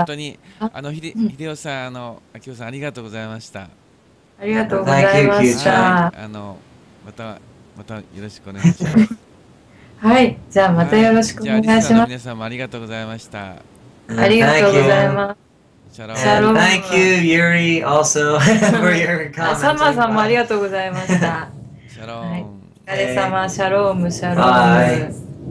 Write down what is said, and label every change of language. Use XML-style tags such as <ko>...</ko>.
<ja>はい、本当に、秀夫さん、秋夫さん、ありがとうございました。ありがとうございました。</ja> <en>Thank you, Q ちゃん。</en> <ja>またよろしくお願いします。はい、じゃあまたよろしくお願いします。はい、じゃあリスナーの皆さんもありがとうございました。ありがとうございます。</ja> <en>And thank you, thank you Yuri, also, for your comment.</en> <ja>サマーさんもありがとうございました。シャローン。はい、お疲れ様、シャローム、シャローム。</ja>